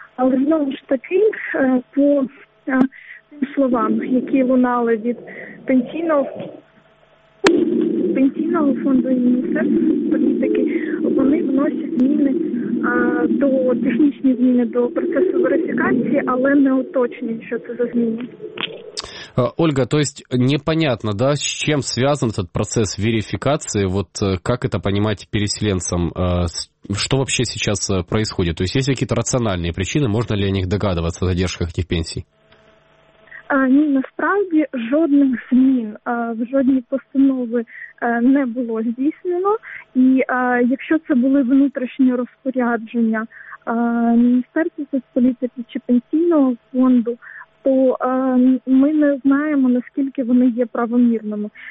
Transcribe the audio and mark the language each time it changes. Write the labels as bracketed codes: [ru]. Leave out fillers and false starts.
[uk] Але знову ж таки, по тим словам, які лунали від Пенсійного фонду і Міністерства політики, вони вносять зміни до технічні зміни до процесу верифікації, але не уточнюють, що це за зміни. [ru] Ольга, то есть непонятно, да, с чем связан этот процесс верификации, вот как это понимать переселенцам, что вообще сейчас происходит? То есть какие-то рациональные причины, можно ли о них догадываться, о задержках этих пенсий? [uk] Ні, насправді жодних змін в жодній постанови не було здійснено. І якщо це були внутрішні розпорядження Міністерства соцполітики чи Пенсійного фонду, то ми не знаємо, наскільки вони є правомірними.